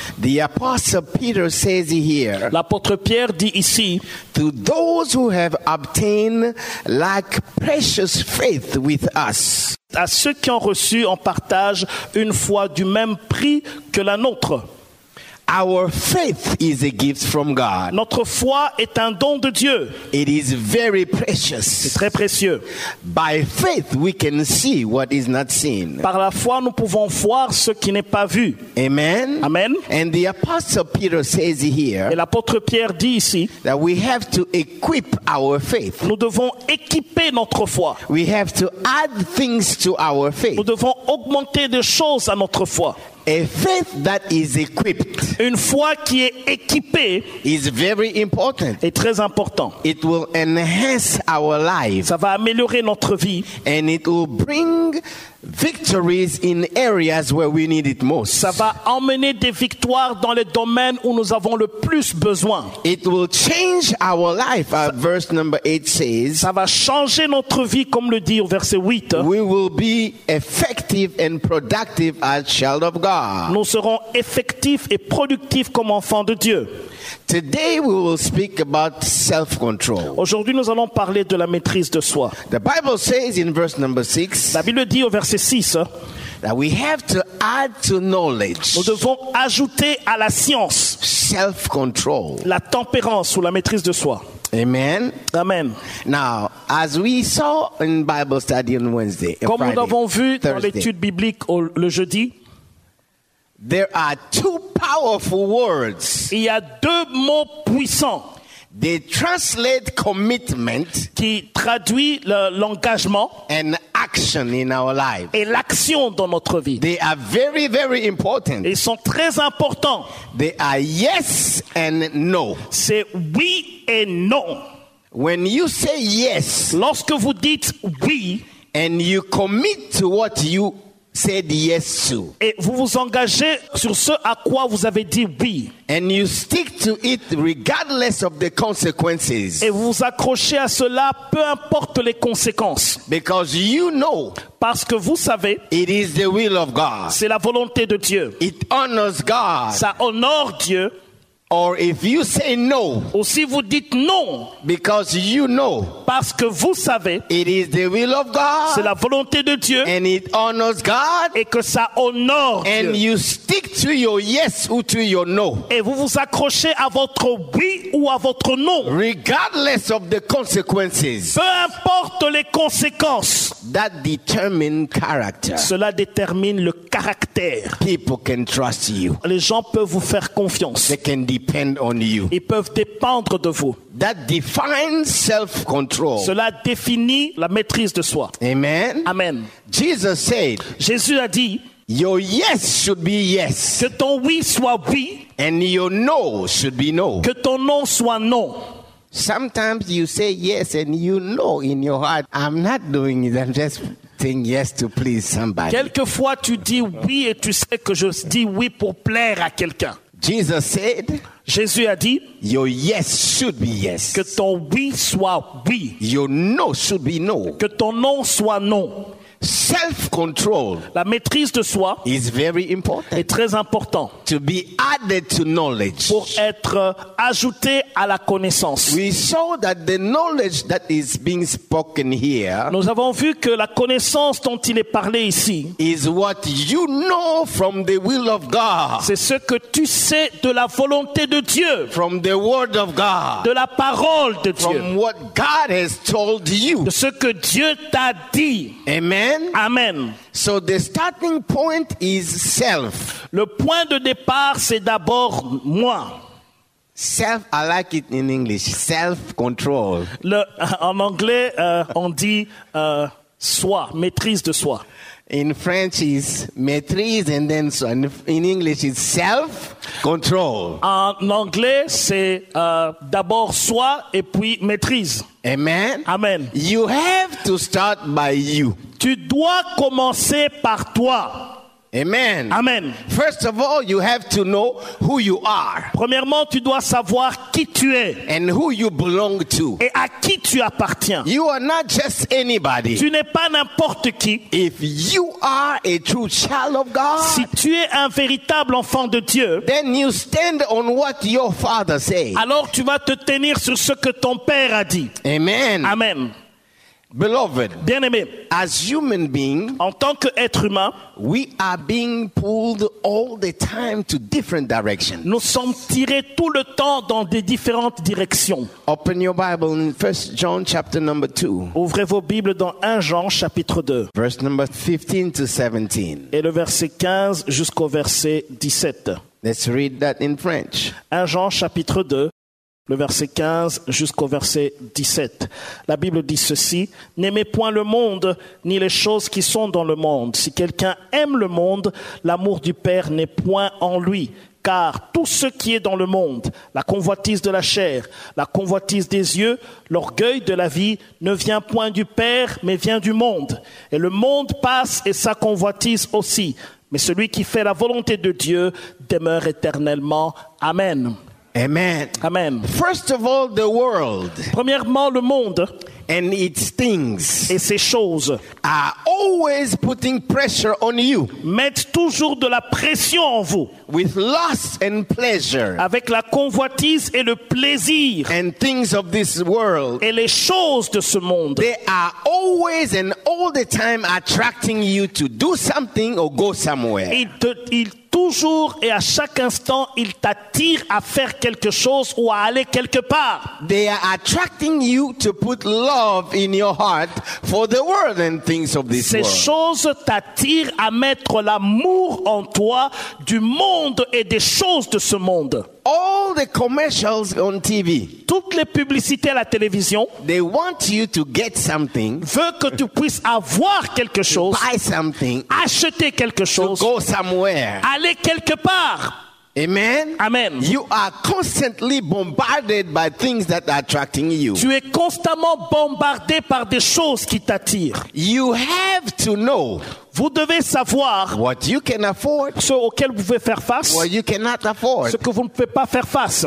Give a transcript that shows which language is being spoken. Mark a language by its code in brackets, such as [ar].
[en] The apostle Peter says here. [fr] L'apôtre Pierre dit ici. [en] To those who have obtained like precious faith with us. [fr] À ceux qui ont reçu en partage une foi du même prix que la nôtre. [en] Our faith is a gift from God. [fr] Notre foi est un don de Dieu. [en] It is very precious. [fr] C'est très précieux. [en] By faith we can see what is not seen. [fr] Par la foi nous pouvons voir ce qui n'est pas vu. [en] Amen. [fr] Amen. [en] And the apostle Peter says here. [fr] Et l'apôtre Pierre dit ici. [en] That we have to equip our faith. [fr] Nous devons équiper notre foi. [en] We have to add things to our faith. [fr] Nous devons augmenter des choses à notre foi. [en] A faith that is equipped, [fr] une foi qui est équipée, [en] is very important. [fr] Est très important. [en] It will enhance our life. [fr] Ça va améliorer notre vie. [en] And it will bring victories in areas where we need it most. [fr] Ça va emmener des victoires dans les domaines où nous avons le plus besoin. [en] It will change our life, as verse number 8 says. [fr] Ça va changer notre vie, comme le dit au verset 8. [en] We will be effective and productive as child of God. [fr] Nous serons effectifs et productifs comme enfants de Dieu. [en] Today we will speak about self-control. [fr] Aujourd'hui nous allons parler de la maîtrise de soi. [en] The Bible says in verse number 6. [fr] La Bible dit au verset 6. [en] That we have to add to knowledge. [fr] Nous devons ajouter à la science. [en] Self-control. [fr] La tempérance ou la maîtrise de soi. [en] Amen. [fr] Amen. [en] Now, as we saw in Bible study on Wednesday. [fr] Comme [en] Friday, [fr] nous avons vu [en] Thursday. [fr] Dans l'étude biblique le jeudi. [en] There are two powerful words. [fr] Il y a deux mots puissants. [en] They translate commitment [fr] qui traduit l'engagement [en] and action in our life. [fr] Et l'action dans notre vie. [en] They are very, very important. [fr] Ils sont très importants. [en] They are yes and no. [fr] C'est oui et non. [en] When you say yes, [fr] lorsque vous dites oui, [en] and you commit to what you said yes to. [fr] Et vous vous engagez sur ce à quoi vous avez dit oui. [en] And you stick to it regardless of the consequences. [fr] Et vous vous accrochez à cela peu importe les conséquences. [en] Because you know. [fr] Parce que vous savez. [en] It is the will of God. [fr] C'est la volonté de Dieu. [en] It honors God. [fr] Ça honore Dieu. [en] Or if you say no. [fr] Ou si vous dites non. [en] Because you know. [fr] Parce que vous savez. [en] It is the will of God. [fr] C'est la volonté de Dieu. [en] And it honors God. [fr] Et que ça honore Dieu. [en] And you stick to your yes or to your no. [fr] Et vous vous accrochez à votre oui ou à votre non. [en] Regardless of the consequences. [fr] Peu importe les conséquences. [en] That determine character. [fr] Cela détermine le caractère. [en] People can trust you. [fr] Les gens peuvent vous faire confiance. [en] They can depend on you. [fr] Ils peuvent dépendre de vous. [en] That defines self-control. [fr] Cela définit la maîtrise de soi. [en] Amen. [fr] Amen. [en] Jesus said. [fr] Jésus a dit. [en] Your yes should be yes. [fr] Que ton oui soit oui. [en] And your no should be no. [fr] Que ton non soit non. [en] Sometimes you say yes and you know in your heart, I'm not doing it. I'm just saying yes to please somebody. [fr] Quelquefois tu dis oui et tu sais que je dis oui pour plaire à quelqu'un. [en] Jesus said, [fr] Jésus a dit, [en] your yes should be yes. [fr] Que ton oui soit oui. [en] Your no should be no. [fr] Que ton non soit non. [en] Self-control, [fr] la maîtrise de soi, [en] is very important. [fr] Est très important. [en] To be added to knowledge, [fr] pour être ajouté à la connaissance. [en] We saw that the knowledge that is being spoken here, [fr] nous avons vu que la connaissance dont il est parlé ici, [en] is what you know from the will of God. [fr] C'est ce que tu sais de la volonté de Dieu, [en] from the word of God, [fr] de la parole de [en] from [fr] Dieu, [en] from what God has told you, [fr] de ce que Dieu t'a dit. [en] Amen. [fr] Amen. [en] So the starting point is self. [fr] Le point de départ, c'est d'abord moi. [en] Self, I like it in English. Self-control. [fr] En anglais, on dit soi, maîtrise de soi. [en] In French, it's maîtrise and then so. In English, it's self-control. [fr] En anglais, c'est d'abord soi et puis maîtrise. [en] Amen. [fr] Amen. [en] You have to start by you. [fr] Tu dois commencer par toi. [en] Amen. [fr] Amen. [en] First of all, you have to know who you are. [fr] Premièrement, tu dois savoir qui tu es. [en] And who you belong to. [fr] Et à qui tu appartiens. [en] You are not just anybody. [fr] Tu n'es pas n'importe qui. [en] If you are a true child of God, [fr] si tu es un véritable enfant de Dieu, [en] then you stand on what your father said. [fr] Alors tu vas te tenir sur ce que ton père a dit. [en] Amen. [fr] Amen. [en] Beloved, [fr] bien-aimé, [en] as human being, [fr] en tant que être humain, [en] we are being pulled all the time to different directions. [fr] Nous sommes tirés tout le temps dans des différentes directions. [en] Open your Bible in 1 John chapter number 2. [fr] Ouvrez vos Bibles dans 1 Jean chapitre 2. [en] Verse number 15 to 17. [fr] Et le verset 15 jusqu'au verset 17. [en] Let's read that in French. [fr] 1 Jean chapitre 2. Le verset 15 jusqu'au verset 17. La Bible dit ceci. N'aimez point le monde, ni les choses qui sont dans le monde. Si quelqu'un aime le monde, l'amour du Père n'est point en lui. Car tout ce qui est dans le monde, la convoitise de la chair, la convoitise des yeux, l'orgueil de la vie, ne vient point du Père, mais vient du monde. Et le monde passe et sa convoitise aussi. Mais celui qui fait la volonté de Dieu demeure éternellement. Amen. Amen. Amen. [en] First of all, the world. [fr] Premièrement, le monde. [en] And its things. [fr] Et ses choses. [en] Are always putting pressure on you. [fr] Mettent toujours de la pression en vous. [en] With lust and pleasure. [fr] Avec la convoitise et le plaisir. [en] And things of this world. [fr] Et les choses de ce monde. [en] They are always and all the time attracting you to do something or go somewhere. [fr] Toujours et à chaque instant, ils t'attirent à faire quelque chose ou à aller quelque part. [en] They are attracting you to put love in your heart for the world and things of this [fr] Ces [en] world. [fr] Ces choses t'attirent à mettre l'amour en toi du monde et des choses de ce monde. [en] All the commercials on TV. [fr] Toutes les publicités à la télévision. [en] They want you to get something. [fr] Veut que tu puisses avoir quelque chose. [en] Buy something. [fr] Acheter quelque chose. [en] To go somewhere. [fr] Aller quelque part. [en] Amen. [fr] Amen. [en] You are constantly bombarded by things that are attracting you. [fr] Tu es constamment bombardé par des choses qui t'attirent. [en] You have to know. [fr] Vous devez savoir [en] what you can afford, [fr] ce auquel vous pouvez faire face, [en] what you cannot afford, [fr] ce que vous ne pouvez pas faire face.